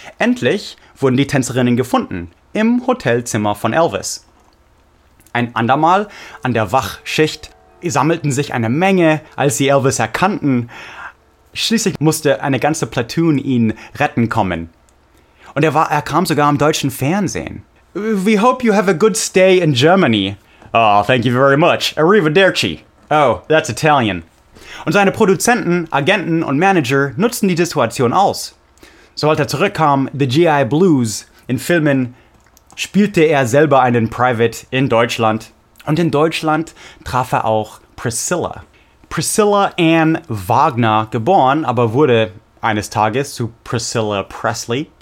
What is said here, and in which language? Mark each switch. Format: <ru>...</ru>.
<de>Endlich wurden die Tänzerinnen gefunden. Im Hotelzimmer von Elvis. Ein andermal an der Wachschicht sammelten sich eine Menge, als sie Elvis erkannten. Schließlich musste eine ganze Platoon ihn retten kommen. Und er kam sogar im deutschen Fernsehen.</de> <en>We hope you have a good stay in Germany. Oh, thank you very much. Arrivederci. Oh, that's Italian.</en> <de>Und seine Produzenten, Agenten und Manager nutzten die Situation aus. Sobald er zurückkam, The G.I. Blues, in Filmen spielte er selber einen Private in Deutschland. Und in Deutschland traf er auch Priscilla. Priscilla Ann Wagner geboren, aber wurde eines Tages zu Priscilla Presley.</de>